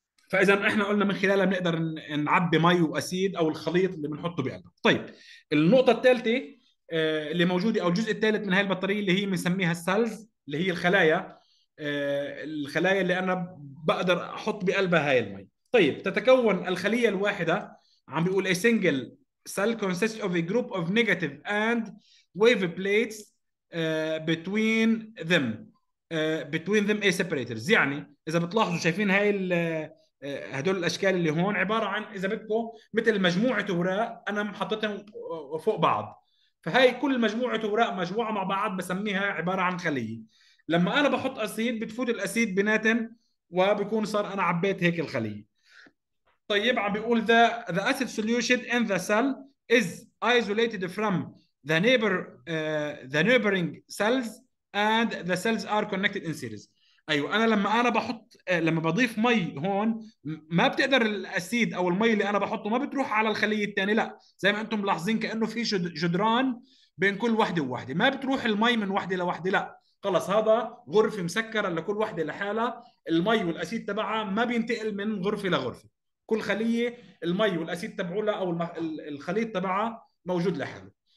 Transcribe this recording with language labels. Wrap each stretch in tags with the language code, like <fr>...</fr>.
<ar>فاذا احنا قلنا من خلالها بنقدر نعبي مي واسيد او الخليط اللي بنحطه بقلبه. طيب النقطه الثالثه اللي موجوده، او الجزء الثالث من هاي البطاريه اللي هي بنسميها السيلز، اللي هي الخلايا، الخلايا اللي انا بقدر احط بقلبها هاي المي. طيب تتكون الخليه الواحده، عم بيقول</ar> <en>a single cell consists of a group of negative and wave plates between them. Between them a separators.</en> <ar>يعني اذا بتلاحظوا شايفين هاي هدول الاشكال اللي هون، عباره عن اذا بدكم مثل مجموعه اوراق انا محطتهم فوق بعض. فهاي كل مجموعه اوراق مجموعه مع بعض بسميها عباره عن خليه. لما انا بحط اسيد بتفوت الاسيد بيناتن، وبكون صار انا عبيت هيك الخليه. طيب عم بيقول</ar> <en>the acid solution in the cell is isolated from the neighboring cells and the cells are connected in series.</en> <ar>ايوه، انا لما انا بحط لما بضيف مي هون، ما بتقدر الاسيد او المي اللي انا بحطه ما بتروح على الخليه الثانيه، لا، زي ما انتم ملاحظين كانه في جدران بين كل وحده وحده، ما بتروح المي من وحده لوحده، لا، خلص هذا غرفه مسكره لكل وحده لحالها، المي والاسيد تبعها ما بينتقل من غرفه لغرفه، كل خليه المي والاسيد تبعولها او الخليط تبعها موجود لحاله.</ar>